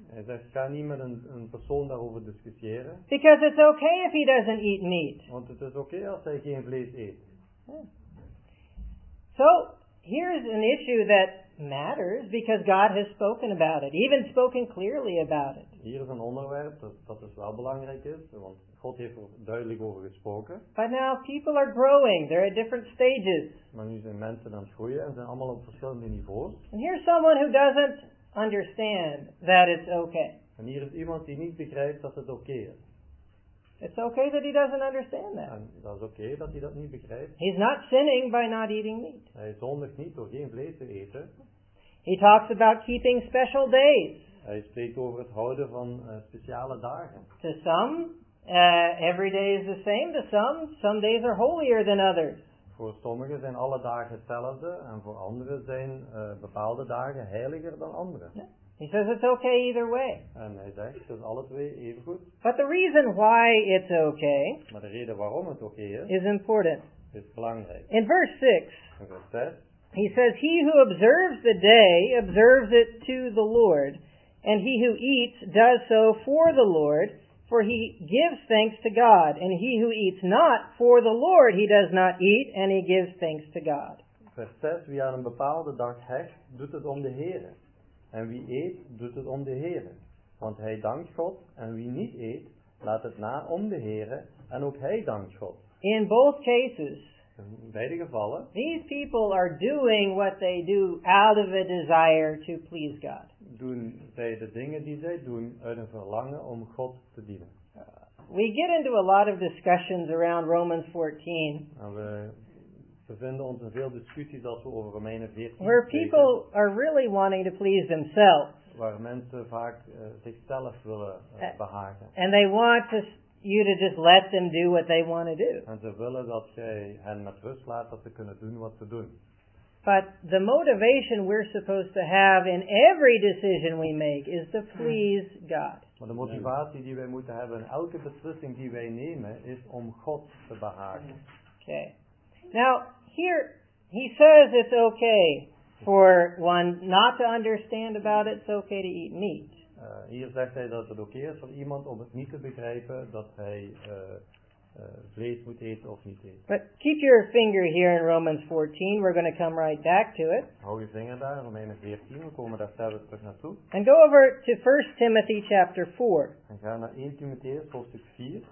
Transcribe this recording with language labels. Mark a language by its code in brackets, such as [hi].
[nl] Hij zegt, ga niet met een persoon daarover discussiëren. [en] Because it's okay if he doesn't eat meat. [nl] Want het is okay als hij geen vlees eet. [en] So, here's an issue that matters because God has spoken about it, even spoken clearly about it. [nl] Hier is een onderwerp dat dus wel belangrijk is, want God heeft er duidelijk over gesproken. [en] But now people are growing, they're at different stages. [nl] Maar nu zijn mensen aan het groeien en zijn allemaal op verschillende niveaus. [en] And here's someone who doesn't understand that it's okay. [nl] En hier is iemand die niet begrijpt dat het oké is. [en] It's okay that he doesn't understand that. [nl] En dat is oké dat hij dat niet begrijpt. [en] He's not sinning by not eating meat. [nl] Hij zondigt niet door geen vlees te eten. [en] He talks about keeping special days. [nl] Hij spreekt over het houden van speciale dagen. [en] To some, every day is the same. To some days are holier than others. [nl] Voor sommigen zijn alle dagen hetzelfde en voor anderen zijn bepaalde dagen heiliger dan anderen. [en] Yeah. He says it's okay either way. [nl] En hij zegt, het is alle twee even goed. [en] But the reason why it's okay, [nl] maar de reden waarom het okay [en] is important. [nl] Is belangrijk. [en] In verse 6, verse he says, he who observes the day observes it to the Lord, and he who eats does so for the Lord, for he gives thanks to God. And he who eats not for the Lord, he does not eat, and he gives thanks to God. [nl] Vers 6, wie aan een bepaalde dag hecht, doet het om de Heere. En wie eet, doet het om de Heere. Want hij dankt God, en wie niet eet, laat het na om de Heere, en ook hij dankt God. [en] In both cases, [nl] in beide gevallen, [en] these people are doing what they do out of a desire to please God. [nl] Doen zij de dingen die zij doen uit een verlangen om God te dienen. [en] We get into a lot of discussions around Romans 14. [nl] We vinden ons in veel discussies als we over Romeinen 14 [en] where people [nl] spreken, [en] are really wanting to please themselves. [nl] Waar mensen vaak zichzelf willen behagen. [en] And they want to you to just let them do what they want to do. [nl] En ze willen dat jij hen met rust laat dat ze kunnen doen wat ze doen. [en] But the motivation we're supposed to have in every decision we make is to please God. [nl] Maar de motivatie die wij moeten hebben in elke beslissing die wij nemen is om God te behagen. [en] Okay. Now, here, he says it's okay for one not to understand about it, it's okay to eat meat. [nl] Hier zegt hij dat het okay is voor iemand om het niet te begrijpen dat hij vlees moet eten of niet eten. [en] But keep your finger here in Romans 14, we're going to come right back to it. [nl] Hou je vinger daar, Romeinen 14, we komen daar zelfs terug naartoe. [en] And go over to 1 Timothy chapter 4. [nl] En ga naar 1 Timotheus hoofdstuk 4.